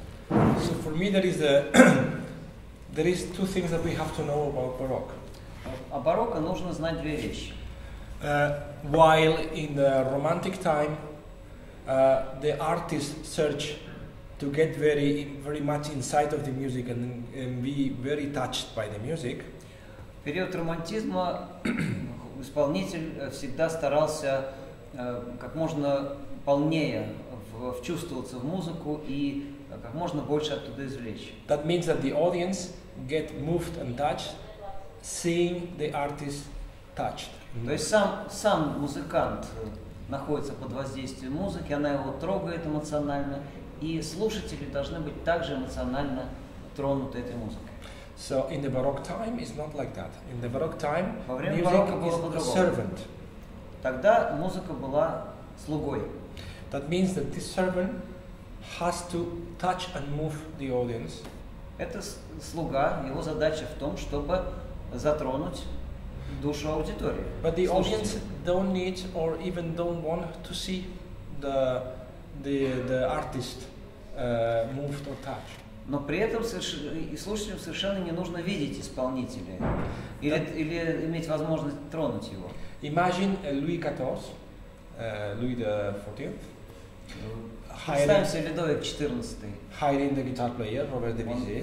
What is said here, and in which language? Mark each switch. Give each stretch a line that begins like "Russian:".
English: So for me there is two things that we have to know about Baroque.
Russian: О барокко нужно знать две вещи.
English: While in the Romantic time, the artist search to get very, very much inside of the music and be very touched by the music.
Russian: В период романтизма исполнитель всегда старался как можно полнее вчувствоваться в музыку и как можно больше оттуда извлечь.
English: That means that the audience get moved and touched seeing the artist touched.
Russian: То есть сам музыкант находится под воздействием музыки, она его трогает эмоционально, и слушатели должны быть также эмоционально тронуты этой музыкой.
English: So in the Baroque time it's not like that. In the Baroque time music was a servant.
Russian: Тогда музыка была слугой.
English: That means that this servant has to touch and move the audience.
Russian: Это слуга, его задача в том, чтобы затронуть душу аудитории.
English: But the audience don't need or even don't want to see the artist moved or touched.
Russian: Но при этом и слушателям совершенно не нужно видеть исполнителя или иметь возможность тронуть его.
English: Imagine Louis XIV, Louis XIV.
Russian: Представим себе Людовик XIV.
English: Hiring the guitar player, Robert Debussy.